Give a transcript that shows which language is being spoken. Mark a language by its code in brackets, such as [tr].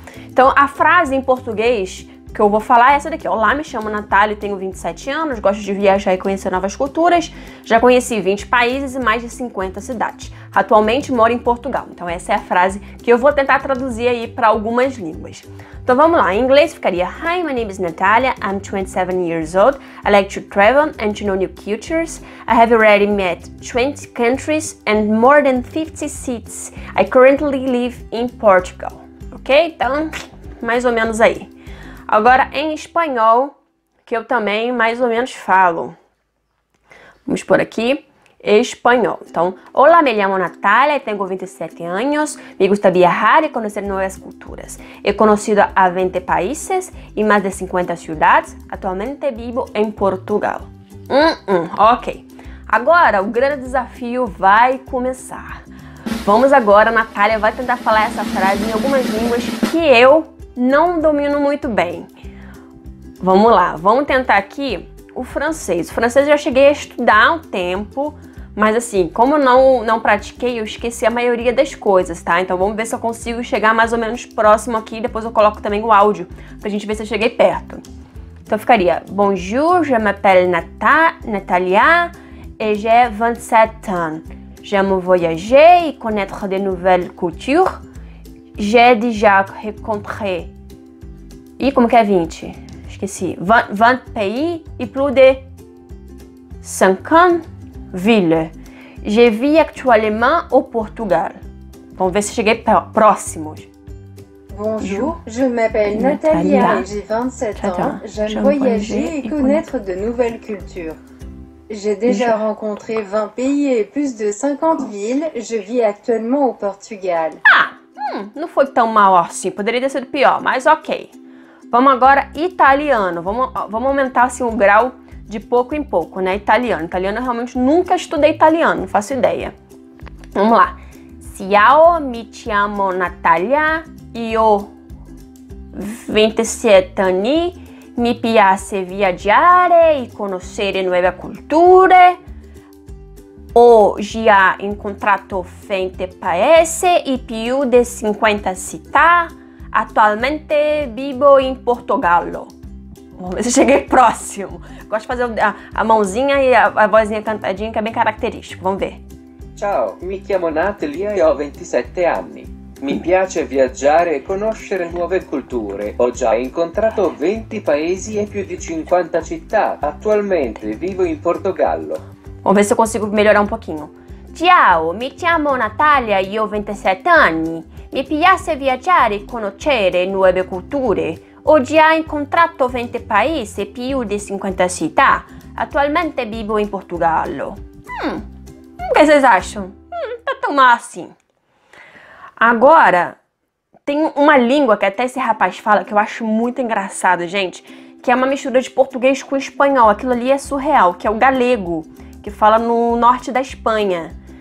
[pt] Então, a frase em português que eu vou falar é essa daqui. Olá, me chamo Natália, tenho 27 anos, gosto de viajar e conhecer novas culturas. Já conheci 20 países e mais de 50 cidades. Atualmente moro em Portugal. Então, essa é a frase que eu vou tentar traduzir aí para algumas línguas. Então, vamos lá. Em inglês ficaria: [en] Hi, my name is Natalia. I'm 27 years old. I like to travel and to know new cultures. I have already met 20 countries and more than 50 cities. I currently live in Portugal. [pt] Ok? Então, mais ou menos aí. Agora, em espanhol, que eu também mais ou menos falo. Vamos por aqui. Espanhol. [es] Então, hola, me llamo Natalia, tengo 27 años. Me gusta viajar y conocer nuevas culturas. He conocido a 20 países y más de 50 ciudades. Atualmente vivo en Portugal. Ok. [pt] Agora, o grande desafio vai começar. Vamos agora, Natália vai tentar falar essa frase em algumas línguas que eu não domino muito bem. Vamos lá, vamos tentar aqui o francês. O francês eu já cheguei a estudar há um tempo, mas assim, como eu não pratiquei, eu esqueci a maioria das coisas, tá? Então vamos ver se eu consigo chegar mais ou menos próximo aqui, depois eu coloco também o áudio pra gente ver se eu cheguei perto. Então ficaria: [fr] Bonjour, je m'appelle Natalia et j'ai 27 ans. J'aime voyager et connaître de nouvelles cultures. J'ai déjà rencontré... [pt] Ih, como que é 20? Esqueci. [fr] 20 pays et plus de 50 villes. Je vis actuellement au Portugal. [pt] Vamos ver se cheguei próximo. [fr] Bonjour, je m'appelle Natalia, j'ai 27 ans. J'aime voyager et connaître de nouvelles cultures. J'ai déjà rencontré 20 pays et plus de 50 villes. Je vis actuellement au Portugal. [pt] Não foi tão mal assim. Poderia ter sido pior, mas ok. Vamos agora italiano. Vamos aumentar assim, o grau de pouco em pouco, né? Italiano. Italiano, eu realmente nunca estudei italiano. Não faço ideia. Vamos lá. [it] Ciao, mi chiamo Natalia. Io 27 anni. Mi piace viaggiare e conoscere nuove culture. Ho già incontrato 20 paesi e più di 50 città. Attualmente vivo in Portogallo. [pt] Vamos ver se cheguei próximo. Gosto de fazer a mãozinha e a vozinha cantadinha, que é bem característico. Vamos ver. [it] Ciao, mi chiamo Natalia e ho 27 anni. Mi piace viaggiare e conoscere nuove culture. Ho già incontrato 20 paesi e più di 50 città. Attualmente vivo in Portogallo. [pt] Vamos ver se eu consigo melhorar um pouquinho. [it] Ciao, mi chiamo Natalia e ho 27 anni. Mi piace viaggiare e conoscere nuove culture. Ho già incontrato 20 paesi e più di 50 città. Attualmente vivo in Portogallo. [pt] O que vocês acham? Tá tão massa assim. Agora, tem uma língua que até esse rapaz fala que eu acho muito engraçado, gente, que é uma mistura de português com espanhol. Aquilo ali é surreal, que é o galego, que fala no norte da Espanha.